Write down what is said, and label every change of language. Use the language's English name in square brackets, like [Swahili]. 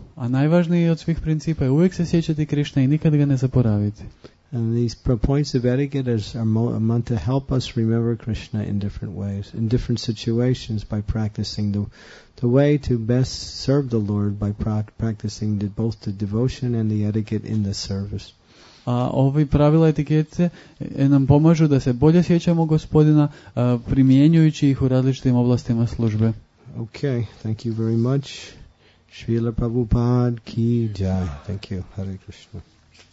[Croatian] A najvažniji od svih principa je uvijek se sjećati Krišne i nikad ga ne zaboraviti. [English] And these points of etiquette are meant to help us remember Krishna in different ways, in different situations, by practicing the way to best serve the Lord by practicing both the devotion and the etiquette in the service. [Croatian] A ovi pravila etikete nam pomažu da se bolje sjećamo gospodina primjenjujući ih u različitim oblastima službe. [English] Okay, thank you very much. Srila Prabhupada ki jai. Thank you. Hare Krishna.